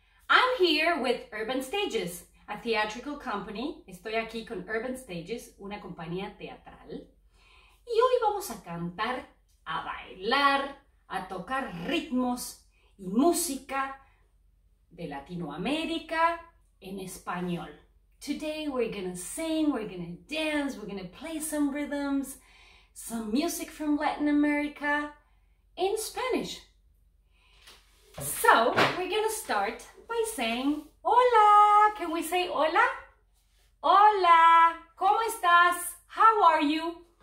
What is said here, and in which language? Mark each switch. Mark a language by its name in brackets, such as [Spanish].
[English] I'm here with Urban Stages, a theatrical company. [Spanish] Estoy aquí con Urban Stages, una compañía teatral. Y hoy vamos a cantar, a bailar, a tocar ritmos y música de Latinoamérica en español. [English] Today we're gonna sing, we're gonna dance, we're gonna play some rhythms, some music from Latin America in Spanish. So we're gonna start by saying hola. Can we say hola? [Spanish] Hola. ¿Cómo estás? [English] How are you?